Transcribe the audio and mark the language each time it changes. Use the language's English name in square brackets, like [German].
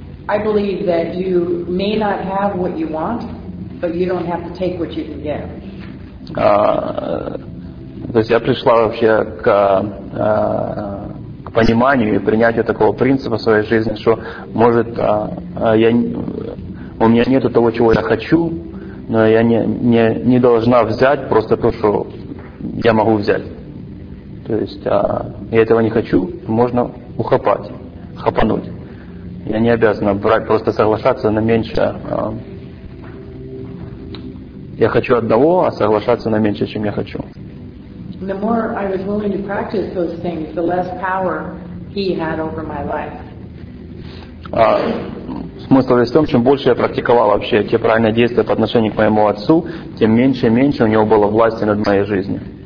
[English] I believe that you may not have what you want, but you don't have to take what you can get. [Russian] То есть я пришла вообще к пониманию и принятию такого принципа в своей жизни, что может у меня нету того, чего я хочу, но я не должна взять просто то, что я могу взять. То есть я этого не хочу, можно хапануть. Я не обязана брать, просто соглашаться на меньшее. Я хочу одного, а соглашаться на меньше, чем я хочу. [English] The more I was willing to practice those things, the less power he had over my life. [Russian] Смысл весь в том, чем больше я практиковал вообще те правильные действия по отношению к моему отцу, тем меньше и меньше у него было власти над моей жизнью.